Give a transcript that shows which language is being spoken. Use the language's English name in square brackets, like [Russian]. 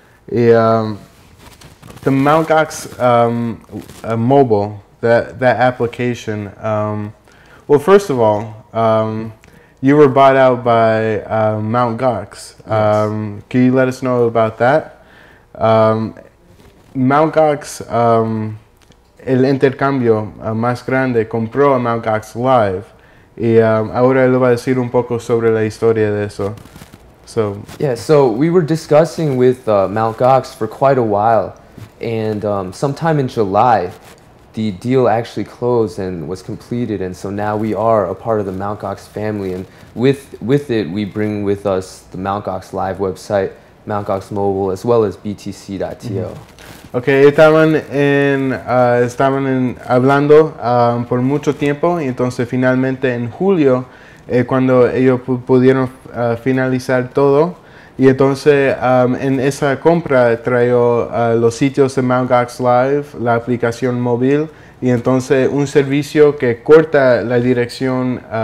[English] Y the MountGox mobile, that application, well, first of all, you were bought out by MountGox. Yes. Can you let us know about that? [Spanish] MountGox, el intercambio más grande, compró a MountGox Live. Y ahora le voy a decir un poco sobre la historia de eso. [English] So. Yeah, so we were discussing with MountGox for quite a while. And sometime in July, the deal actually closed and was completed, and so now we are a part of the MountGox family, and with it we bring with us the MountGox Live website, MountGox Mobile, as well as BTC.to. Mm-hmm. [Spanish] Okay, estaban en hablando por mucho tiempo, y entonces finalmente en julio, cuando ellos pudieron finalizar todo, y entonces en esa compra trajo los sitios de MountGox Live, la aplicación móvil y entonces un servicio que corta la dirección